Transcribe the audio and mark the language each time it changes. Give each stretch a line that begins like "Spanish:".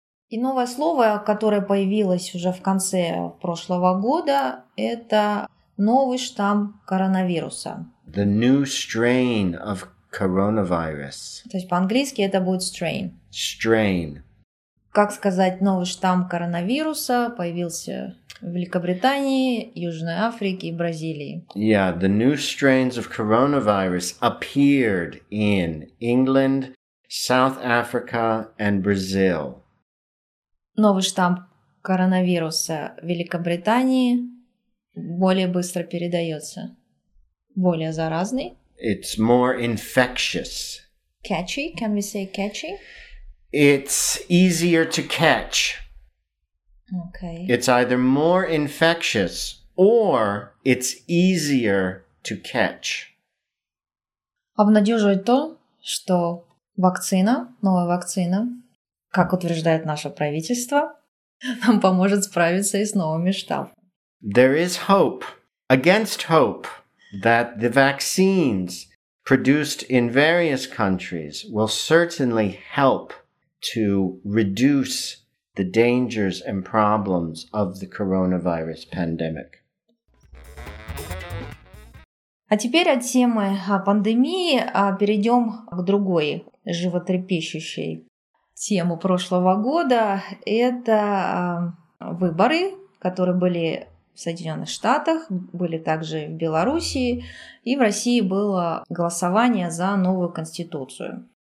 Russian: И новое слово, которое появилось уже в конце прошлого года, это новый штамм коронавируса.
English: The new strain of coronavirus.
Russian: То есть по-английски это будет strain.
English: Strain.
Russian: Как сказать, новый штамм коронавируса появился в Великобритании, Южной Африке и Бразилии.
English: Yeah, the new strains of coronavirus appeared in England, South Africa and Brazil.
Russian: Новый штамм коронавируса в Великобритании более быстро передается, более заразный.
English: It's more infectious. Catchy, can we say catchy? It's easier to catch. Okay. It's either more infectious or it's easier to catch.
Russian: Обнадеживает то, что вакцина, новая вакцина, как утверждает наше правительство, нам поможет справиться и с новыми штаммами.
English: There is hope, against hope, that the vaccines produced in various countries will certainly help to reduce the dangers and problems of the coronavirus pandemic.
Russian: А теперь от темы пандемии перейдем к другой животрепещущей теме прошлого года. Это выборы, которые были в Соединенных Штатах, были также в Белоруссии, и в России было голосование за новую конституцию.